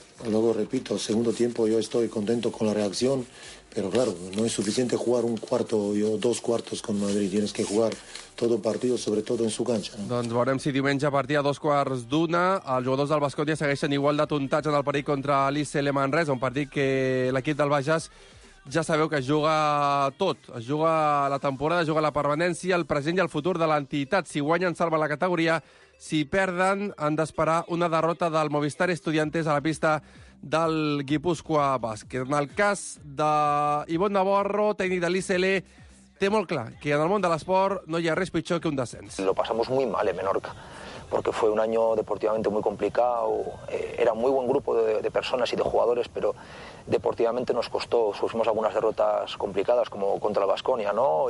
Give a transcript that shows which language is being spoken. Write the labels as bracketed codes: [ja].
[es] Luego repito, segundo tiempo yo estoy contento con la reacción, pero claro, no es suficiente jugar un cuarto o dos cuartos con Madrid, tienes que jugar todo partido, sobre todo en su cancha, ¿no? [ca] Doncs veurem si diumenge a partir de dos quarts d'una els jugadors del Baskonia segueixen igual de tontatge en el partit contra l'ICL Manresa, un partit que l'equip del Bages ja sabeu que es juga tot. Es juga la temporada, es juga la permanència, el present i el futur de l'entitat. Si guanyen, salva la categoria. Si perden, han d'esperar una derrota del Movistar Estudiantes a la pista del Guipúscoa Basket. En el cas d'Ivon Navarro, tècnic de l'ICL, té molt clar que en el món de l'esport no hi ha res pitjor que un descens. [es] Lo pasamos muy mal en Menorca, porque fue un año deportivamente muy complicado. Era muy buen grupo de personas y de jugadores, pero deportivamente nos costó, sufrimos algunas derrotas complicadas como contra el Baskonia, ¿no?